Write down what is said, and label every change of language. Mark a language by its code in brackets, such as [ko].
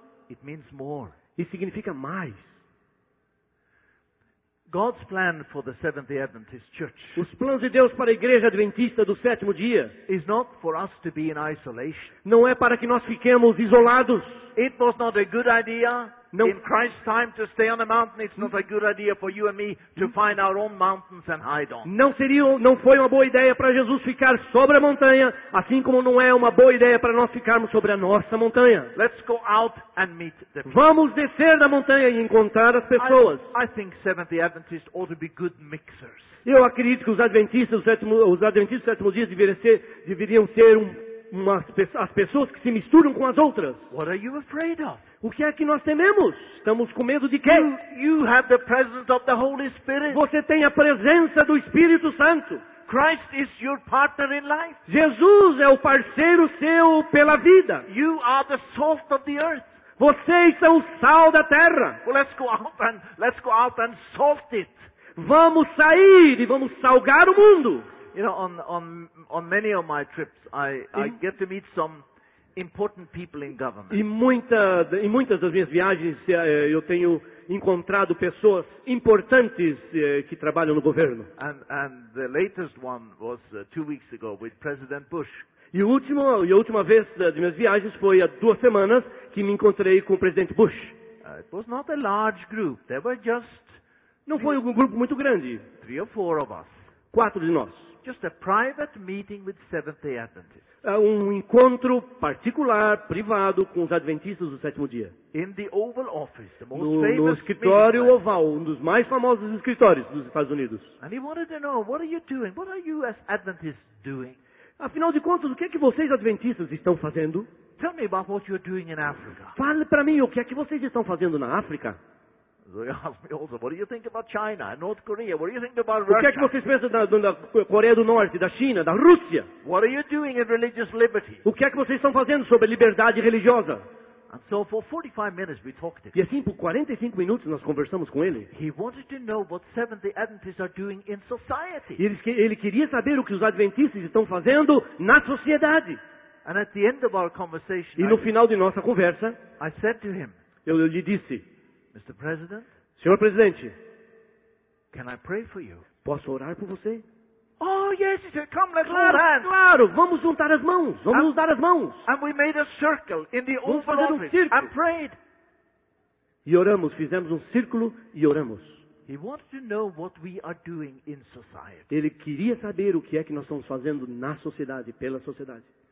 [en] It means more. [pt] E significa mais. [en] God's plan for the Seventh-day Adventist Church. [pt] Os planos de Deus para a Igreja Adventista do Sétimo Dia. [en] Is not for us to be in isolation. [pt] Não é para que nós fiquemos isolados. [en] It was not a good idea. Não. In Christ's time to stay on a mountain, it's not a good idea for you and me to find our own mountains and hide on. [pt] Não foi uma boa ideia para Jesus ficar sobre a montanha, assim como não é uma boa ideia para nós ficarmos sobre a nossa montanha. [en] Let's go out and meet the people. [pt] Vamos descer da montanha e encontrar as pessoas. [en] I think Seventh-day Adventists ought to be good mixers. [pt] Eu acredito que os Adventistas do Sétimo Dia deveriam ser as pessoas que se misturam com as outras. [en] What are you afraid of? [pt] O que é que nós tememos? Estamos com medo de quê? [en] You have the presence of the Holy Spirit. [pt] Você tem a presença do Espírito Santo. [en] Christ is your partner in life. [pt] Jesus é o parceiro seu pela vida. [en] You are the salt of the earth. [pt] Vocês são o sal da terra. [en] Well, let's go out and salt it. [pt] Vamos sair e vamos salgar o mundo. [en] You know, on many of my trips, I get to meet some important people in government. [pt] Em muitas das minhas viagens, eu tenho encontrado pessoas importantes que trabalham no governo. [en] And the latest one was 2 weeks ago with President Bush. [pt] E a última vez das minhas viagens foi há 2 semanas que me encontrei com o Presidente Bush. [en] It was not a large group. There were just [pt] não foi um grupo muito grande. [en] 3 or 4 of us. [pt] 4 de nós. [en] Just a private meeting with Seventh-day Adventists. [pt] Um encontro particular, privado, com os Adventistas do Sétimo Dia. [en] In the Oval Office, the most [pt] no escritório oval, um dos mais famosos escritórios dos Estados Unidos. [en] And he wanted to know, what are you doing? What are you as Adventists doing? [pt] Afinal de contas, o que é que vocês Adventistas estão fazendo? [en] Tell me about what you're doing in Africa. [pt] Fale para mim o que é que vocês estão fazendo na África. [en] They ask me also, what do you think about China and North Korea? What do you think about [pt] Russia? O que é que vocês pensam da Coreia do Norte, da China, da Rússia? [en] What are you doing in religious liberty? [pt] O que é que vocês estão fazendo sobre liberdade religiosa? [en] And so for 45 minutes we talked to him. [pt] E assim por 45 minutos nós conversamos com ele. [en] He wanted to know what Seventh-day Adventists are doing in society. [pt] Ele queria saber o que os Adventistas estão fazendo na sociedade. [en] And at the end of our conversation, [pt] e no final de nossa conversa, [en] I said to him, [pt] eu lhe disse, [en] Mr. President, [pt] Senhor Presidente, [en] can I pray for you? [pt] Posso orar por você? [en] Oh, yes, he said, come, let's hold hands. [pt] Claro, vamos juntar as mãos, vamos dar as mãos. [en] And we made a circle in the Oval Office and prayed. [pt] E oramos, fizemos um círculo e oramos. [en] He wanted to know what we are doing in society. [pt] Ele queria saber o que é que nós estamos fazendo na sociedade, pela sociedade.